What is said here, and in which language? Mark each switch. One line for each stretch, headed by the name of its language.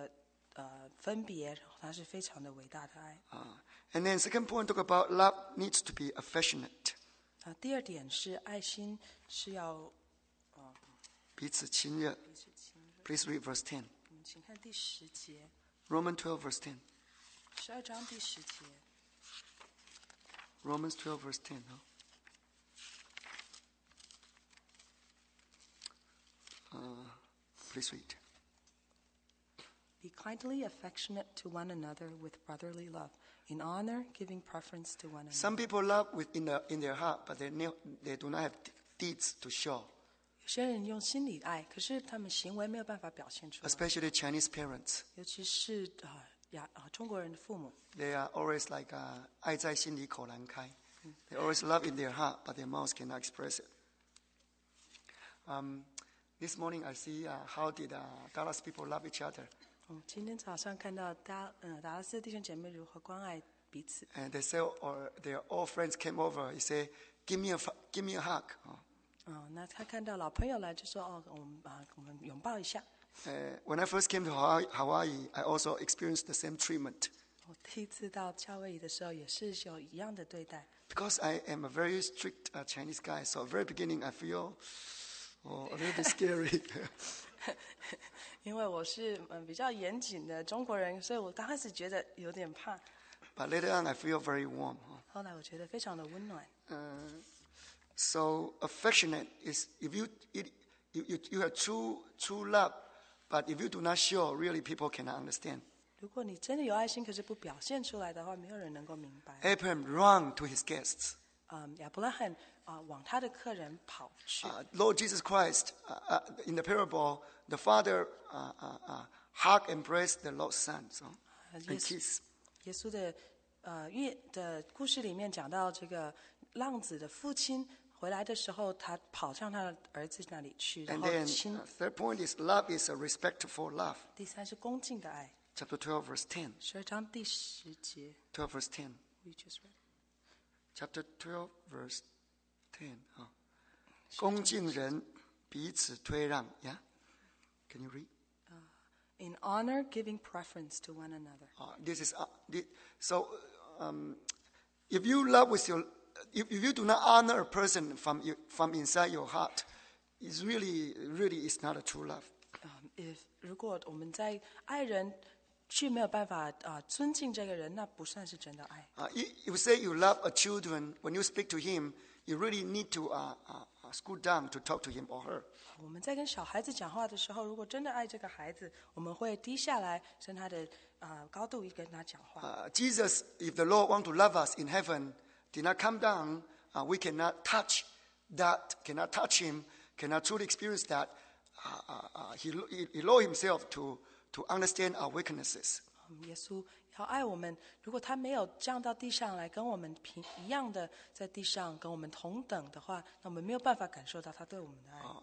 Chinese: 看得出来他对大卫的爱是没有地位资格的分别，他是非常的伟大的爱.
English: And then second point, talk about love needs to be affectionate.
Chinese: 第二点是爱心是要彼此亲热.
English: Please read verse 10.
Chinese: 请看第十节.
English: Romans 12 verse 10.
Chinese: 十二章第十节.
English: Romans 12 verse 10. Huh? Please read. Be kindly affectionate to one another with brotherly love. in honor, giving preference to one another. Some people love within the, in their heart, but they do not have deeds to show.
Chinese: 有些人用心里爱，可是他们行为没有办法表现出来。
English: Especially Chinese parents.
Chinese: 尤其是中国人的父母。
English: They are always like
Chinese: 爱在心里口难开。
English: They always love in their heart, but their mouths cannot express it. This morning I see how did Dallas people love each other.
Chinese: 今天早上看到达拉斯弟兄姐妹如何关爱彼此。
English: And they say, or their old friends came over. He said, give me a hug.
Chinese: 那他看到老朋友来就说我们拥抱一下。
English: When I first came to Hawaii, I also experienced the same treatment.
Chinese: 我第一次到夏威夷的时候也是有一样的对待。
English: Because I am a very strict Chinese guy, so at the very beginning I feel a little bit scary.
Chinese: 因为我是比较严谨的中国人，所以我刚开始觉得有点怕。
English: But later on, I feel very warm.
Chinese: 后来我觉得非常的温暖。
English: So affectionate is if you have true love, but if you do not show, really people cannot understand.
Chinese: 如果你真的有爱心，可是不表现出来的话，没有人能够明白。
English: Abraham ran to his guests.
Chinese: 亚伯拉罕往他的客人跑去。
English: Lord Jesus Christ, in the parable, the father hug embraced the Lord's son, so and kiss.
Chinese: 耶稣的故事里面讲到这个浪子的父亲。回来的时候，他跑向他的儿子那里去，然后亲。
English: And then, third point is love is a respectful love.
Chinese: 第三是恭敬的爱。
English: Chapter 12, verse 10.
Chinese: 十二章第十节。
English: 12, verse 10. We just read. Chapter 12, verse 10.
Chinese: 恭敬人彼此推让。
English: Yeah? Can you read? In honor, giving preference to one another. This is, if you love with your... If you do not honor a person from inside your heart, it's really, really is not a true love.
Chinese: If 果我们在爱人却没有办法尊敬这个人，那不算是真的爱。
English: You say you love a children when you speak to him, you really need to scoot down to talk to him or her.
Chinese: 我们在跟小孩子讲话的时候，如果真的爱这个孩子，我们会低下来，跟他的高度一跟他讲话。
English: Jesus, if the Lord want to love us in heaven. Did not come down, we cannot touch that, cannot touch him, cannot truly experience that. He lowered himself to understand our weaknesses.
Chinese: 耶稣要爱我们，如果他没有降到地上来跟我们一样的在地上跟我们同等的话，那我们没有办法感受到他对我们的爱。